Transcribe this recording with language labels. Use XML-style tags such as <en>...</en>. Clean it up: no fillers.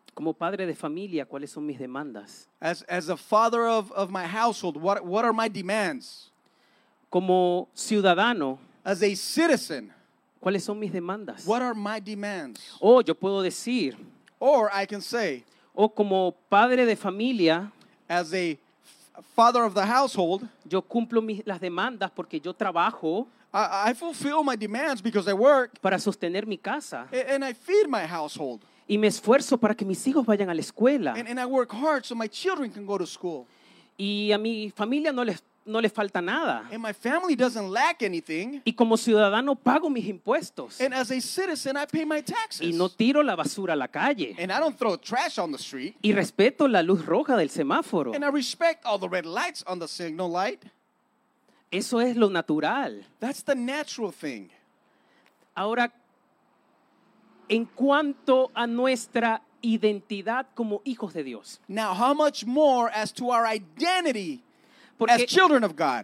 <es>Como padre de familia, ¿cuáles son mis demandas?</es> <en>As a father of my household, what are my demands?</en> <es>Como ciudadano,</es> <en>as a citizen,</en> <es>¿cuáles son mis demandas?</es> <en>What are my demands?</en> <es>Oh, yo puedo decir,</es> <en>or I can say,</en> <es>como padre de familia,</es> <en>as a father of the household.</en> <es>Yo cumplo las demandas porque yo trabajo.</es> <en>I fulfill my demands because I work.</en> <es>Para sostener mi casa.</es> <en>And I feed my household.</en> <es>Y me esfuerzo para que mis hijos vayan a la escuela.</es> <en>And I work hard so my children can go to school.</en> <es>Y a mi familia no les falta nada.</es> <en>And my family doesn't lack anything.</en> <es>Y como ciudadano pago mis impuestos.</es> <en>And as a citizen, I pay my taxes.</en> <es>Y no tiro la basura a la calle.</es> <en>And I don't throw trash on the street.</en> <es>Y respeto la luz roja del semáforo.</es> <en>And I respect all the red lights on the signal light.</en> <es>Eso es lo natural.</es> <en>That's the natural thing.</en> <es>Ahora, en cuanto a nuestra identidad como hijos de Dios.</es> <en>Now, how much more as to our identity as children of God?</en>